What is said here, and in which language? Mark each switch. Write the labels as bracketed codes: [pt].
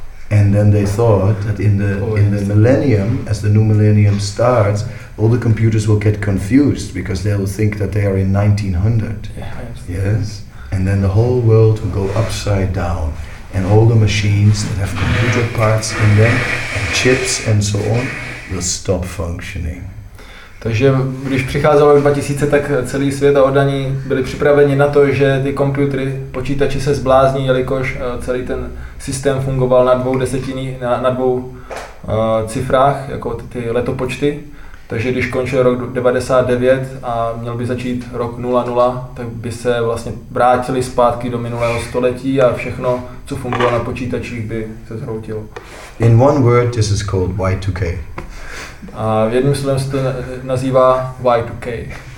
[en] And then they thought that in the millennium, as the new millennium starts, all the computers will get confused because they will think that they are in 1900. Yeah, yes. And then the whole world will go upside down. And all the machines that have computer parts in them, and chips and so on, will stop functioning. [cs] Takže když přicházelo 2000, tak celý svět a oddaní byli připraveni na to, že ty počítače, počítači se zblázní, jelikož celý ten systém fungoval na dvou desetinách, na dvou cifrách, jako ty letopočty. Takže když končil rok 99 a měl by začít rok 00, tak by se vlastně vrátili zpátky do minulého století a všechno, co fungovalo na počítačích, by se zhroutilo. [en] In one word, this is called Y2K. [cs] A v jedním slovem se to nazývá Y2K.